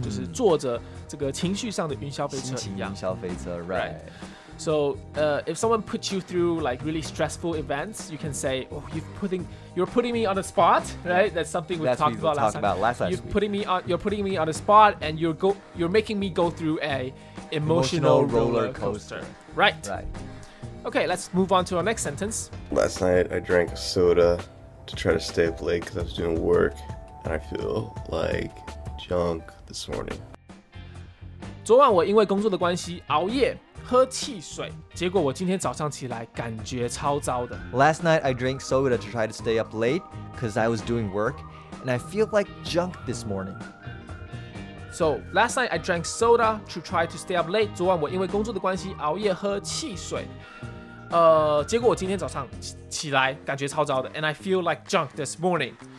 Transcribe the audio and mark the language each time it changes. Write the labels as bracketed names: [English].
[Chinese] 就是坐着这个情绪上的云霄飞车一样。心情云霄飞车 right. [English] So, if someone puts you through like really stressful events, you can say, "Oh, you're putting me on the spot, right?" That's something we talked about last time. You're putting me on the spot, and you're making me go through an emotional roller coaster. Right. Okay, let's move on to our next sentence. Last night, I drank soda to try to stay up late because I was doing work, and I feel like junk this morning. [Chinese] 昨晚我因为工作的关系熬夜。喝汽水，结果我今天早上起来感觉超糟的。 [English] Last night I drank soda to try to stay up late because I was doing work, and I feel like junk this morning. So last night I drank soda to try to stay up late. [Chinese] 昨晚我因为工作的关系熬夜喝汽水，结果我今天早上起来感觉超糟的。 [English] And I feel like junk this morning.